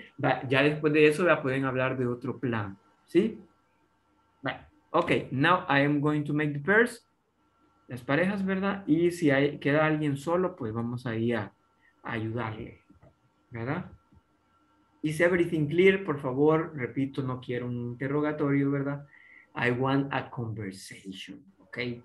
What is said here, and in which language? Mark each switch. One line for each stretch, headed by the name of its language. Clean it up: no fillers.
Spanish: Va, ya después de eso ya pueden hablar de otro plan, ¿sí?
English: Va, okay, now I am going to make the pairs.
Spanish: Las parejas, ¿verdad? Y si hay, queda alguien solo, pues vamos ahí a ayudarle, ¿verdad?
English: Is everything clear?
Spanish: Por favor, repito, no quiero un interrogatorio, ¿verdad?
English: I want a conversation, ¿ok?